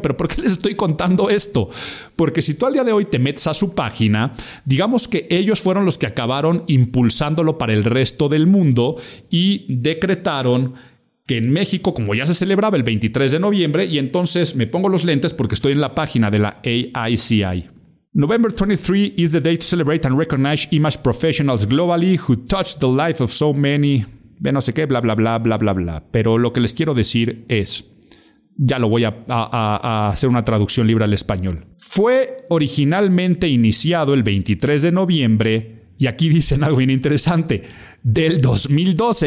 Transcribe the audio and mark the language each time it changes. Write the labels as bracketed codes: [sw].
[es] ¿Pero por qué les estoy contando esto? Porque si tú al día de hoy te metes a su página, digamos que ellos fueron los que acabaron impulsándolo para el resto del mundo y decretaron que en México, como ya se celebraba el 23 de noviembre, y entonces me pongo los lentes porque estoy en la página de la AICI. [en] November 23 is the day to celebrate and recognize image professionals globally who touched the life of so many. [es] Ve, no sé qué, bla, bla, bla, bla, bla, bla. Pero lo que les quiero decir es, ya lo voy a hacer una traducción libre al español. Fue originalmente iniciado el 23 de noviembre, y aquí dicen algo bien interesante, del 2012.